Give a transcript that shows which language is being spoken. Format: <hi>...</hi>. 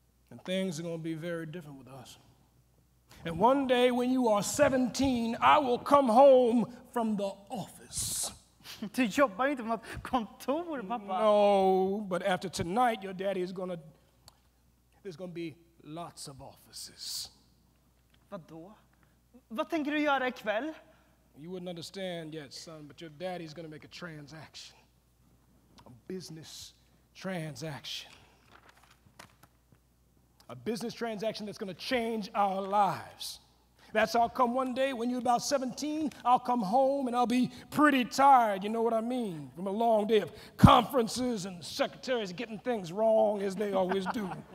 <en>And things are gonna be very different with us. And one day when you are 17, I will come home from the office.</en> <sv>Du jobbar inte på kontor, pappa.</sv> <en>No, but after tonight, your daddy is gonna. There's gonna be lots of offices.</en> <sv>Vadå? Vad tänker du göra ikväll?</sv> <en>You wouldn't understand yet, son, but your daddy's gonna make a transaction. A business transaction. A business transaction that's gonna change our lives. That's how come one day when you're about 17, I'll come home and I'll be pretty tired, you know what I mean, from a long day of conferences and secretaries getting things wrong as they always do.</en>